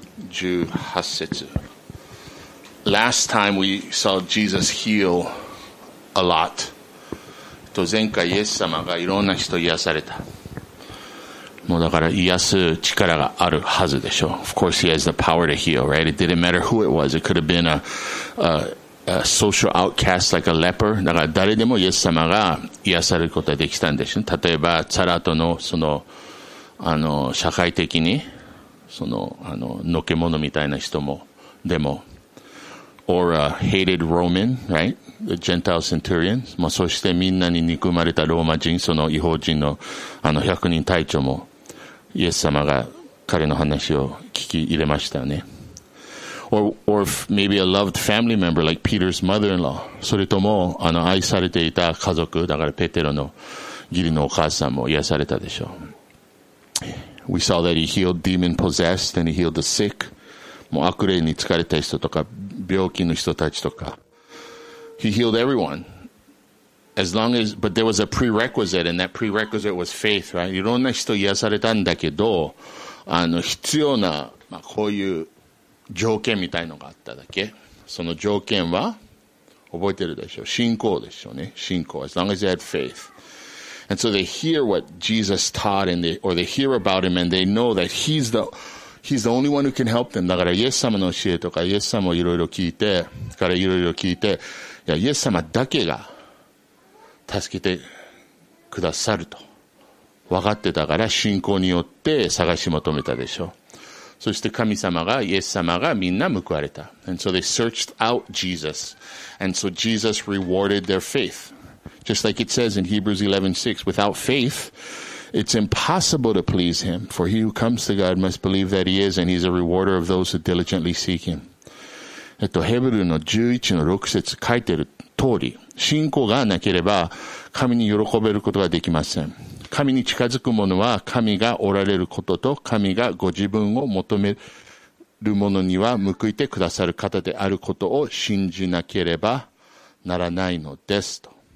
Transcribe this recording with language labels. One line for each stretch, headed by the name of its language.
Japanese: 18節。
English: Last time we saw Jesus heal a lot.
Japanese: と前回イエス様がいろんな人癒された。もうだから癒す力があるはずでしょう。
English: Of course he has the power to heal, right? It didn't matter who it was. It could have been a social outcast like a leper.
Japanese: だから誰でもイエス様が癒されることができたんでしょう。例えば、サラートのその、社会的に、のけ者みたいな人も、でも、
English: or a hated Roman, right? The Gentile centurion.
Japanese: まあ、そしてみんなに憎まれたローマ人、その異邦人の、百人隊長も、イエス様が彼の話を聞き入れましたね。
English: Or maybe a loved family member like Peter's mother-in-law.
Japanese: それとも、愛されていた家族、だからペテロの義理のお母さんも癒されたでしょう。
English: We saw that he healed demon possessed and he healed the sick.
Japanese: もう悪霊に疲れた人とか、病気の人たちとか。
English: He healed everyone. But there was a prerequisite, and that prerequisite was faith, right?
Japanese: いろんな人癒されたんだけど、必要な、まあ、こういう条件みたいのがあっただけ。その条件は、覚えてるでしょう。信仰でしょうね。信仰。
English: As long as they had faith. And so they hear what Jesus taught, and they hear about him, and they know that he's the only one who can help them.
Japanese: だから、イエス様の教えとか、イエス様をいろいろ聞いて、からいろいろ聞いて、いや、イエス様だけが、助けてくださると分かってたから信仰によって探し求めたでしょう。そして神様がイエス様がみんな報われた。
English: And so they searched out Jesus. And so Jesus rewarded their faith. Just like it says in Hebrews 11:6, without faith, it's impossible to please him. For he who comes to God must believe that he is, and he's a rewarder of those who diligently seek him.
Japanese: ヘブルの 11-6 節書いてる通り、信仰がなければ神に喜べることができません。神に近づく者は神がおられることと神がご自分を求める者には報いてくださる方であることを信じなければならないのですと。